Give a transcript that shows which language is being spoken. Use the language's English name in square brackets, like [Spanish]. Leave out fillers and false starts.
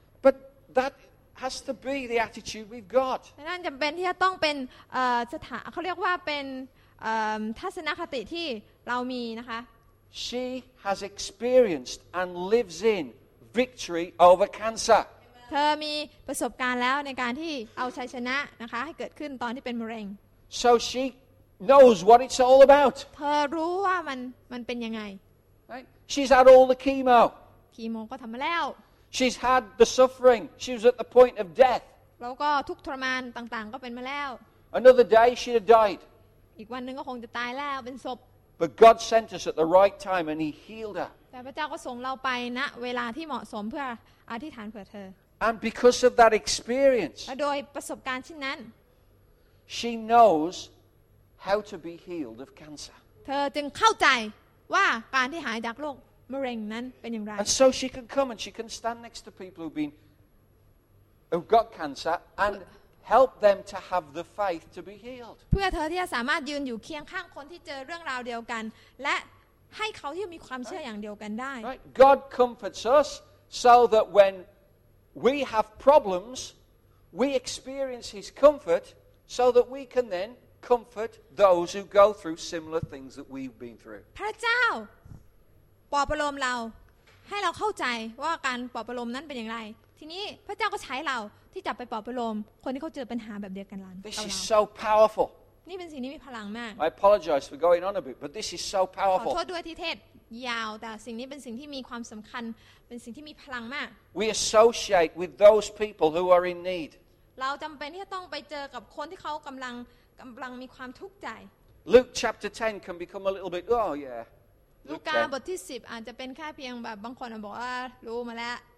[English] But that has to be the attitude we've got. [Thai] นั่นจำเป็นที่จะต้องเป็นสถานเขาเรียกว่าเป็นทัศนคติที่เรามีนะคะ [English] She has experienced and lives in victory over cancer. [Thai] เธอมีประสบการณ์แล้วในการที่เอาชัยชนะนะคะให้เกิดขึ้นตอนที่เป็นมะเร็ง [English] So she knows what it's all about. [Thai] เธอรู้ว่ามันเป็นยังไง [English] Right? She's had all the chemo. [Thai] Chemo ก็ทำมาแล้ว [English] She's had the suffering. She was at the point of death. [Thai] แล้วก็ทุกข์ทรมานต่างๆก็เป็นมาแล้ว [English] Another day she'd have died. [Thai] อีกวันนึงก็คงจะตายแล้วเป็นศพ [English] But God sent us at the right time and He healed her. [Thai] แต่พระเจ้าก็ส่งเราไปณเวลาที่เหมาะสมเพื่ออธิษฐานเผื่อเธอ [English] And because of that experience. [Thai] โดยประสบการณ์เช่นนั้น [English] She knows how to be healed of cancer. [Thai] เธอจึงเข้าใจว่าการที่หายจากโรค มะเร็งนั้นเป็นอย่างไร [English] And so she can come and she can stand next to people who've been who've got cancer andHelp them to have the faith to be healed. [Thai] เพื่อเธอที่จะสามารถยืนอยู่เคียงข้างคนที่เจอเรื่องราวเดียวกันและให้เขาที่มีความเชื่ออย่างเดียวกันได้ [English] God comforts us so that when we have problems, we experience His comfort, so that we can then comfort those who go through similar things that we've been through. [Thai] พระเจ้าปลอบประโลมเราให้เราเข้าใจว่าการปลอบประโลมนั้นเป็นอย่างไรทีนี้พระเจ้าก็ใช้เราที่จับไปปลอบประโลมคนที่เขาเจอปัญหาแบบเดียวกันล้าน [English] This is so powerful [Thai] นี่เป็นสิ่งที่มีพลังมาก [English] I apologize for going on a bit but this is so powerful [Thai] ขอโทษด้วยที่เทศยาวแต่สิ่งนี้เป็นสิ่งที่มีความสำคัญเป็นสิ่งที่มีพลังมาก [English] We associate with those people who are in need [Thai] เราจำเป็นที่จะต้องไปเจอกับคนที่เขากำลังมีความทุกข์ใจ [English] Luke chapter 10 can become a little bit oh yeah [Thai] ลูกาบทที่10อาจจะเป็นแค่เพียงแบบบางคนบอกว่ารู้มาแล้ว